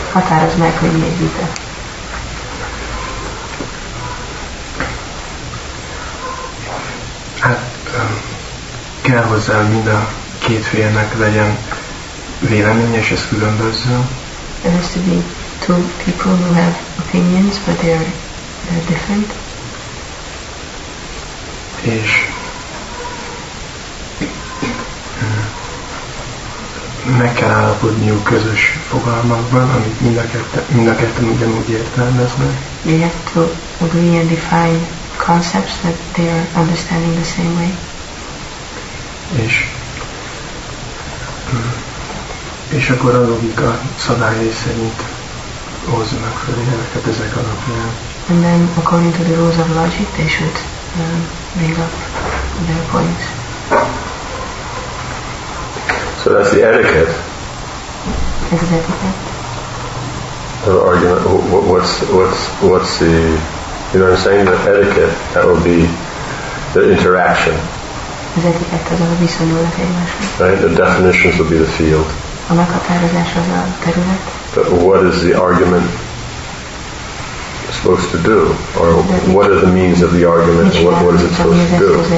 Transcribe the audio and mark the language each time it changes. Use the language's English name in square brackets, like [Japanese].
[Hungarian] Határozd meg, hogy mi egy vita. Hát kell hozzá, hogy mind a két félnek legyen vélemény, és ez különböző. [English] There has to be two people who have opinions, but they're different. [Hungarian] És meg kell állapodniuk közös fogalmakban, amit mind a ketten ugyanúgy értelmeznek. [English] They have to agree and define concepts that they are understanding the same way. [Hungarian] És akkor a logika szabályai szerint hozza meg fel ilyeneket ezek alapján. [English] And then according to the rules of logic, they should bring up their points. So that's the etiquette. Is it etiquette? The argument, what's the, you know what I'm saying? The etiquette, that would be the interaction. [Hungarian] Az etiquette, az a viszonyulat egymásra. [English] Right, the definitions would be the field. [Hungarian] A meghatározás az a terület. [English] But what is the argument supposed to do? Or what are the means of the argument and what is it supposed to do?